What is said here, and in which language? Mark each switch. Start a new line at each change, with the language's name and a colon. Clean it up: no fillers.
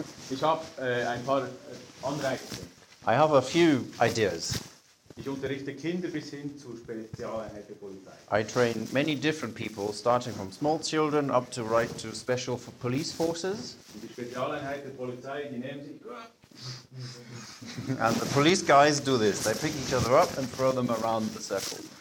German: Ich habe ein paar Anreize.
English: I have a few ideas.
German: Ich unterrichte Kinder bis hin zur Spezialeinheit der Polizei.
English: I train many different people, starting from small children up to right to special for police forces.
German: Die Spezialeinheit der Polizei, die nehmen sich.
English: And the police guys do this. They pick each other up and throw them around the circle.